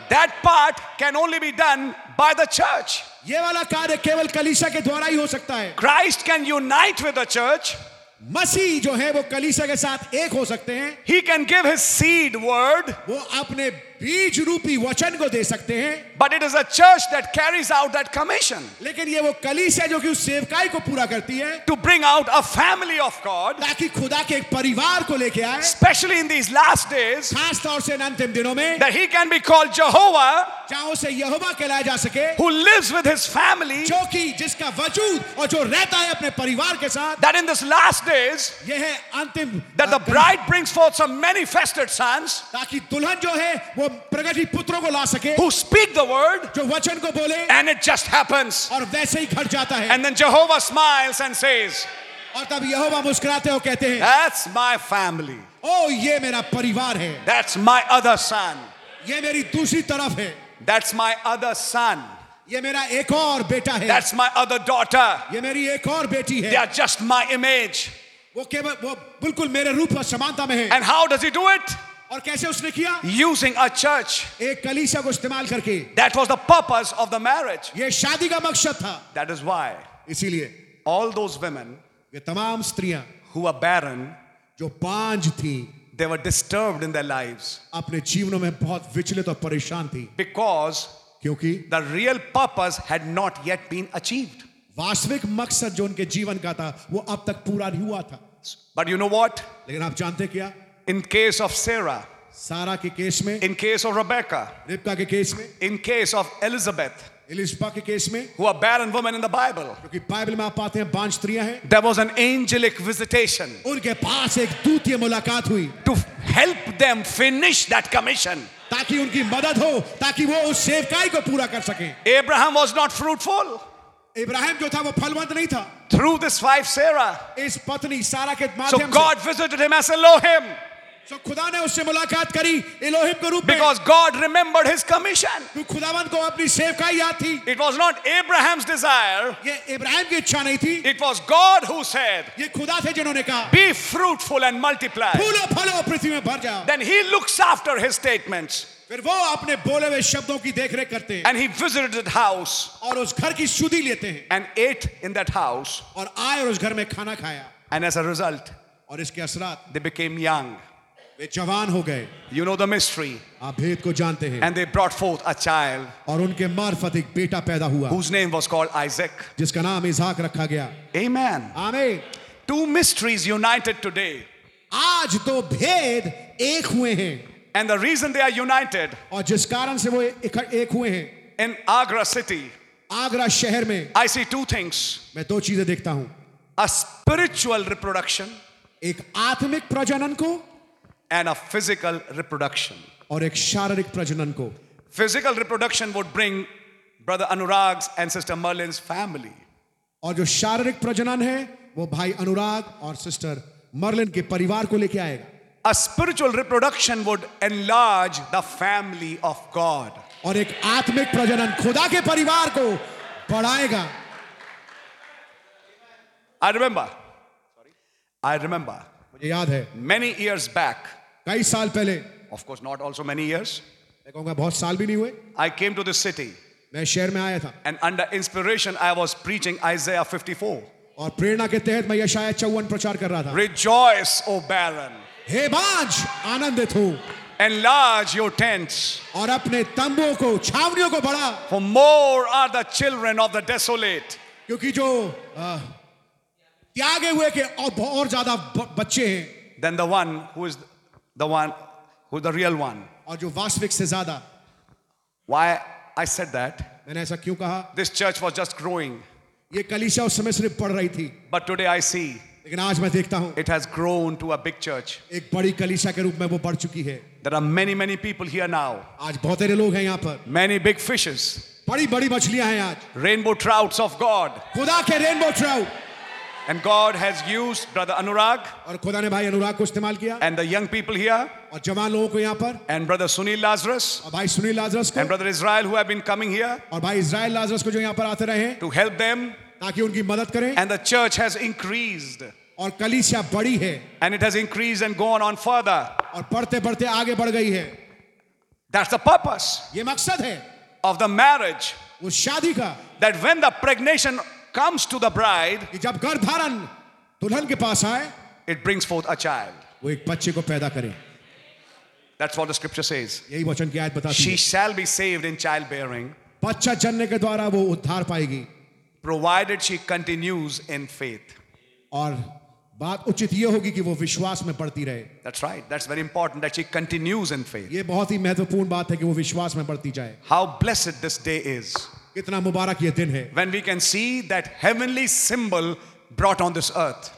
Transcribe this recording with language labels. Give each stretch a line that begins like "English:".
English: That part can only be done by the church.
Hindi: ये वाला कार्य केवल कलीसिया के द्वारा ही हो सकता है.
English: Christ can unite with the church.
Hindi: मसीह जो है वो कलीसिया के साथ एक हो सकते हैं.
English: He can give his seed word.
Hindi: वो अपने बीज रूपी वचन को दे सकते हैं.
English: But it is a church that carries out that commission.
Hindi: लेकिन ये वो कलीसिया जो कि उस सेवकाई को पूरा करती है.
English: To bring out a family of God.
Hindi: ताकि खुदा के एक परिवार को लेके आए.
English: Especially in these last days.
Hindi: खास तौर से इन अंतिम दिनों में.
English: That he can be called Jehovah.
Hindi: जहां उसे यहोवा कहलाया जा सके.
English: Who lives with his family.
Hindi: जो कि जिसका वजूद और जो रहता है अपने परिवार के साथ.
English: That in these last days.
Hindi: ये है अंतिम.
English: That the bride brings forth some manifested sons.
Hindi: ताकि दुल्हन जो है वो प्रगति पुत्रों को ला सके.
English: Who speak the word.
Hindi: जो वचन को बोले.
English: And it just happens.
Hindi: और वैसे ही घट जाता है.
English: And then Jehovah smiles and says.
Hindi: और तब यहोवा मुस्कुराते हुए कहते हैं.
English: That's my family.
Hindi: ओ ये मेरा परिवार है.
English: That's my other son.
Hindi: ये मेरी दूसरी तरफ है.
English: That's my other son.
Hindi: ये मेरा एक और बेटा है.
English: That's my other daughter.
Hindi: ये मेरी एक और बेटी है.
English: They are just my image.
Hindi: वो केवल वो बिल्कुल मेरे रूप और समानता में है.
English: And how does he do it?
Hindi: और कैसे उसने किया?
English: Using a church.
Hindi: एक कलीसिया को इस्तेमाल करके.
English: That was the purpose of the marriage.
Hindi: ये शादी का मकसद था.
English: That is why.
Hindi: इसीलिए.
English: All those women.
Hindi: ये तमाम स्त्रियां.
English: Who were barren.
Hindi: जो पांच थी.
English: They were disturbed in their lives.
Hindi: अपने जीवनों में बहुत विचलित और परेशान थी.
English: Because
Hindi: क्योंकि
English: the real purpose had not yet been achieved.
Hindi: वास्तविक मकसद जो उनके जीवन का था वो अब तक पूरा नहीं हुआ था.
English: But you know what?
Hindi: लेकिन आप जानते क्या?
English: In case of Sarah.
Hindi: सारा के केस में.
English: In case of Rebecca.
Hindi: रिबका के केस में.
English: In case of Elizabeth.
Hindi: Elizabeth के केस में.
English: Who are barren women in the Bible?
Hindi: क्योंकि बाइबल में आप पाते हैं पांच स्त्रियां हैं.
English: There was an angelic visitation.
Hindi: उनके पास एक दूतीय मुलाकात हुई.
English: To help them finish that commission.
Hindi: ताकि उनकी मदद हो, ताकि वो उस सेवकाई को पूरा कर सकें.
English: Abraham was not fruitful.
Hindi: Abraham जो था वो फलवंत नहीं था.
English: Through this wife Sarah.
Hindi: इस पत्नी सारा के माध्यम से.
English: So God visited him as Elohim.
Hindi: So खुदा ने उससे मुलाकात करी इलोहिम के रूप में.
English: Because God remembered his commission.
Hindi: तो खुदावन को अपनी सेवकाई याद थी.
English: It was not Abraham's desire.
Hindi: ये इब्राहिम की इच्छा नहीं थी.
English: It was God who said.
Hindi: ये खुदा थे जिन्होंने कहा.
English: Be fruitful and multiply.
Hindi: फूलो फलो पृथ्वी में भर जाओ.
English: Then he looks after his statements.
Hindi: फिर वो अपने बोले हुए शब्दों की देखरेख करते हैं.
English: And he visited the house.
Hindi: और उस घर की शुद्धि लेते हैं.
English: And ate in that house.
Hindi: और आए और उस घर में खाना खाया.
English: And as a result.
Hindi: और इसके असरात.
English: They became young.
Hindi: वे जवान हो गए.
English: You know the mystery.
Hindi: आप भेद को जानते हैं.
English: And they brought forth a child.
Hindi: और उनके मार्फत एक बेटा पैदा हुआ.
English: Whose name was called Isaac.
Hindi: जिसका नाम इसहाक रखा गया.
English: Amen. Amen. Two mysteries united today.
Hindi: आज दो भेद एक हुए हैं.
English: And the reason they are united.
Hindi: और जिस कारण से वो एक हुए हैं.
English: In Agra city.
Hindi: आगरा शहर में.
English: I see two things.
Hindi: मैं दो चीजें देखता हूँ.
English: A spiritual reproduction.
Hindi: एक आत्मिक प्रजनन को.
English: And a physical reproduction.
Hindi: और एक शारीरिक प्रजनन को.
English: Physical reproduction would bring Brother Anurag's and Sister Merlin's family.
Hindi: और जो शारीरिक प्रजनन है वो भाई अनुराग और सिस्टर मर्लिन के परिवार को लेके आएगा.
English: A spiritual reproduction would enlarge the family of God.
Hindi: और एक आत्मिक प्रजनन खुदा के परिवार को बढ़ाएगा.
English: I remember.
Hindi: याद है.
English: Many years back.
Hindi: कई साल पहले.
English: Of course, not also many years.
Hindi: मैं कहूँगा बहुत साल भी नहीं हुए.
English: I came to this city.
Hindi: मैं शहर में आया था.
English: And under inspiration, I was preaching Isaiah 54.
Hindi: और प्रेरणा के तहत मैं यशायाह 54 प्रचार कर रहा था.
English: Rejoice, O barren.
Hindi: हे बांझ, आनंदित हो.
English: Enlarge your tents.
Hindi: और अपने तंबुओं को, छावनियों को बढ़ा.
English: For more are the children of the desolate.
Hindi: क्योंकि जो त्यागे हुए के और ज्यादा बच्चे हैं.
English: Then the one who is the one who is the real one.
Hindi: और जो वास्तविक से ज्यादा.
English: Why I said that?
Hindi: मैंने ऐसा क्यों कहा?
English: This church was just growing.
Hindi: ये कलीसिया उस समय सिर्फ बढ़ रही थी.
English: But today I see.
Hindi: लेकिन आज मैं देखता हूँ.
English: It has grown to a big church.
Hindi: एक बड़ी कलीसिया के रूप में वो बढ़ चुकी है.
English: There are many people here now.
Hindi: आज बहुत सारे लोग हैं यहाँ पर.
English: Many big fishes.
Hindi: बड़ी बड़ी मछलियां हैं आज.
English: Rainbow trouts of God.
Hindi: खुदा के rainbow trout.
English: And God has used Brother Anurag.
Hindi: और खुदा ने भाई अनुराग को इस्तेमाल किया.
English: And the young people here.
Hindi: और जवान लोगों को यहाँ पर.
English: And Brother Sunil Lazarus.
Hindi: और भाई सुनील लाजरस को.
English: And Brother Israel who have been coming here.
Hindi: और भाई इज़राइल लाजरस को जो यहाँ पर आते रहे.
English: To help them.
Hindi: ताकि उनकी मदद करें.
English: And the church has increased.
Hindi: और कलीसिया बड़ी है.
English: And it has increased and gone on further.
Hindi: और बढ़ते बढ़ते आगे बढ़ गई है.
English: That's the purpose.
Hindi: ये मकसद है.
English: Of the marriage.
Hindi: उस शादी का.
English: That when the pregnancy comes to the bride.
Hindi: जब गर्भधारण दुल्हन के पास आए.
English: It brings forth a child.
Hindi: वो एक बच्चे को पैदा करे.
English: That's what the scripture says.
Hindi: यही वचन की आयत बताती है.
English: She shall be saved in childbearing.
Hindi: बच्चा जनने के द्वारा वो उद्धार पाएगी.
English: Provided she continues in faith.
Hindi: और बात उचित ये होगी कि वो विश्वास में बढ़ती रहे.
English: That's right. That's very important that she continues in faith.
Hindi: ये बहुत ही महत्वपूर्ण बात है कि वो विश्वास में बढ़ती जाए.
English: How blessed this day is.
Hindi: कितना मुबारक ये दिन है.
English: When we can see that heavenly symbol brought on this earth.